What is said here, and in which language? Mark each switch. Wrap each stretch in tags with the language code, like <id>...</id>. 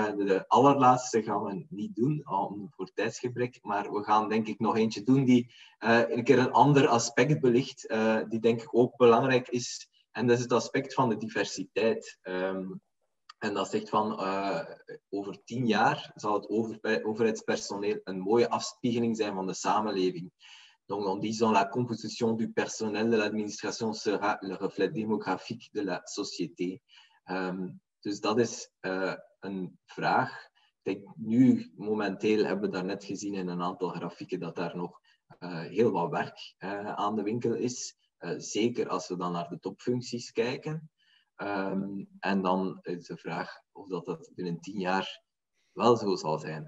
<nl>De allerlaatste gaan we niet doen voor tijdsgebrek, maar we gaan denk ik nog eentje doen die een keer een ander aspect belicht, die denk ik ook belangrijk is. En dat is het aspect van de diversiteit. En dat zegt van over 10 jaar zal het overheidspersoneel een mooie afspiegeling zijn van de samenleving.</nl> <fr>Donc, en disant la composition du personnel de l'administration sera le reflet démographique de la société.</fr> <nl>Dus dat is een vraag. Ik denk, nu, momenteel, hebben we daarnet gezien in een aantal grafieken dat daar nog heel wat werk aan de winkel is. Zeker als we dan naar de topfuncties kijken. En dan is de vraag of dat binnen 10 jaar wel zo zal zijn.</nl>